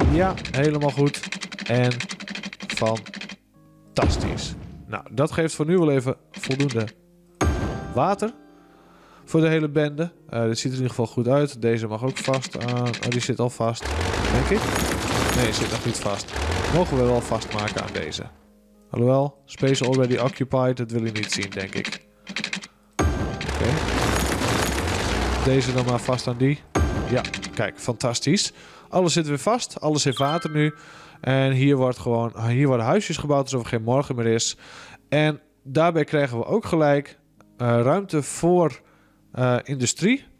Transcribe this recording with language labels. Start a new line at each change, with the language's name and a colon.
Dutch: Ja, helemaal goed. En fantastisch. Nou, dat geeft voor nu wel even voldoende water voor de hele bende. Dit ziet er in ieder geval goed uit. Deze mag ook vast aan... Oh, die zit al vast, denk ik. Nee, zit nog niet vast. Mogen we wel vastmaken aan deze. Alhoewel,
English: space already occupied.
Dutch: Dat wil je niet zien, denk ik. Oké. Okay. Deze dan maar vast aan die. Ja, kijk, fantastisch. Alles zit weer vast. Alles heeft water nu. En hier wordt gewoon, hier worden huisjes gebouwd alsof er geen morgen meer is. En daarbij krijgen we ook gelijk ruimte voor industrie.